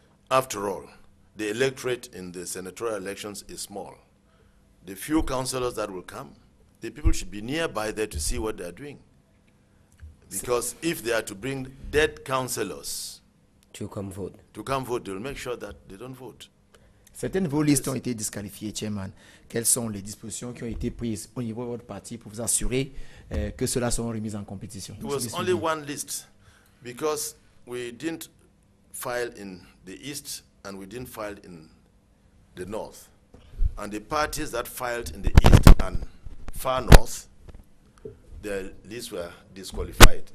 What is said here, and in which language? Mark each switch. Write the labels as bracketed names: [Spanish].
[English] After all, the electorate in the senatorial elections is small. The few councillors that will come, the people should be nearby there to see what they are doing. Because if they are to bring dead councillors to come vote, they will make sure that they don't vote. [French] Certaines vos listes ont été disqualifiées, Chairman. Quelles sont les dispositions qui ont été prises au niveau de votre parti pour vous assurer que cela sera remis en compétition? [English] It was only one list because we didn't file in the east and we didn't file in the north. And the parties that filed in the east and far north, their lists were disqualified.